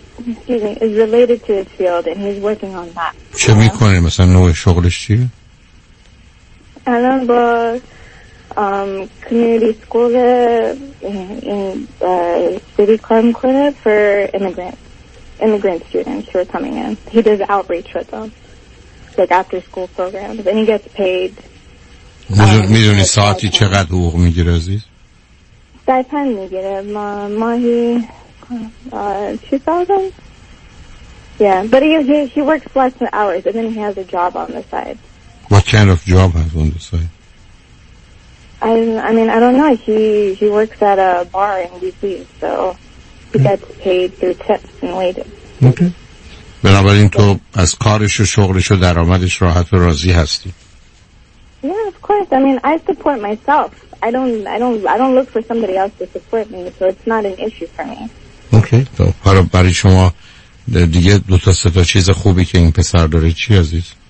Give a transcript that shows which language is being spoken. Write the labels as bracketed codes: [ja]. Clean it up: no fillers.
[en] Excuse me, is related to his field and he's working on that. [fa] چه میکنه مثلا نوع شغلش چیه؟ الان با [en] community school in city [fa] کار میکنه [en] for immigrant students who are coming in. He does outreach with them like after school programs and he gets paid. [fa] میدونی ساعتی چقدر حقوق میگیره عزیز؟ stipend میگیره ماهی 2000. [en] Yeah, but he works less than hours, and then he has a job on the side. What kind of job has on the side? I mean, I don't know. He works at a bar in D.C., so he gets paid through tips and wages. Okay. [fa] بنابراین تو از کارش و شغلش و درآمدش راحت و راضی هستی؟ [en] Yeah, of course. I mean, I support myself. I don't look for somebody else to support me, so it's not an issue for me. Okay. [fa] So, حالا برای شما دیگه دو تا سه تا چیز خوبی که این پسر داره چی عزیز؟